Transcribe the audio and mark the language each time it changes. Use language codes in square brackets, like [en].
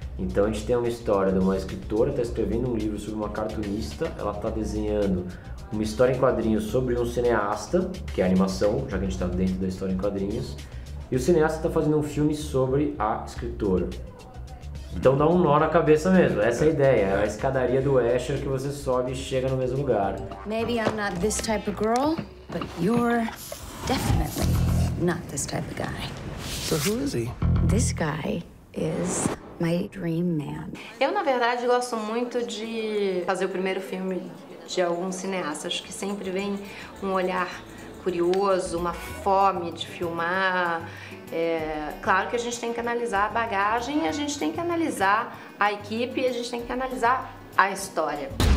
[pt] Então a gente tem uma história de uma escritora que está escrevendo um livro sobre uma cartunista, ela está desenhando uma história em quadrinhos sobre um cineasta, que é a animação, já que a gente está dentro da história em quadrinhos. E o cineasta está fazendo um filme sobre a escritora. Então dá um nó na cabeça mesmo, essa é a ideia. É a escadaria do Escher que você sobe e chega no mesmo lugar. [en] Maybe I'm not this type of girl, but you're definitely not this type of guy. So who is he? This guy is my dream man. [pt] Eu, na verdade, gosto muito de fazer o primeiro filme de algum cineasta. Acho que sempre vem um olhar curioso, uma fome de filmar. Claro que a gente tem que analisar a bagagem, a gente tem que analisar a equipe, a gente tem que analisar a história.